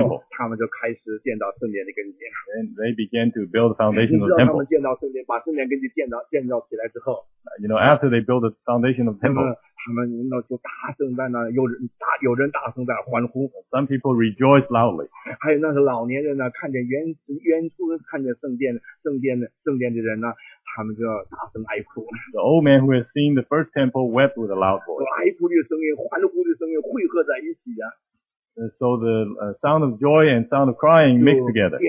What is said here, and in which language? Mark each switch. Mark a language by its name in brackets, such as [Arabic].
[Chinese] 然后他们就开始建造圣殿的根基。 [English] And they began to build the foundation of the temple. [Chinese] 你知道他们建造圣殿，把圣殿根基建造起来之后 [English] ，You know, after they build the foundation of the temple, [Chinese] 他们那就大声在那有人大声在欢呼。 [English] Some people rejoice loudly. [Chinese] 还有那个老年人呢，看见原初看见圣殿的人呢。他们就要大声哀哭。 [English] The old man who had seen the first temple wept with a loud voice. [Chinese] 哀哭的声音、欢呼的声音汇合在一起呀。 [English] So the sound of joy and sound of crying mixed together.